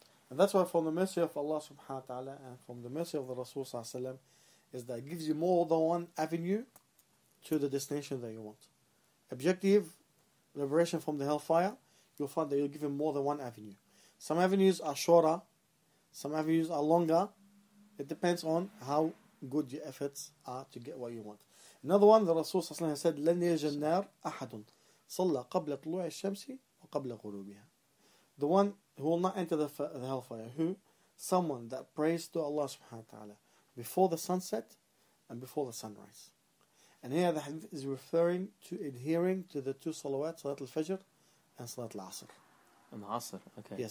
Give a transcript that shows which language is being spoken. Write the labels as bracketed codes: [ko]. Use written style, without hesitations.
[en] And that's why from the mercy of Allah subhanahu wa ta'ala, and from the mercy of the Rasul sallallahu alayhi wa sallam, is that it gives you more than one avenue to the destination that you want. Objective, liberation from the hellfire, you'll find that you'll give him more than one avenue. Some avenues are shorter, some avenues are longer. It depends on how good your efforts are to get what you want. Another one, the Rasul sallallahu alayhi wa sallam said, [ar] لَنْ يَجَ النَّارِ أَحَدٌ صَلَّى قَبْلَ طُلُوعِ الشَّمْسِ وَقَبْلَ غُرُوبِهَا. [en] The one who will not enter the hellfire, who? Someone that prays to Allah subhanahu wa ta'ala before the sunset and before the sunrise. And here the hadith is referring to adhering to the two salawat, Salat al-Fajr and Salat al-Asr. And Asr, okay.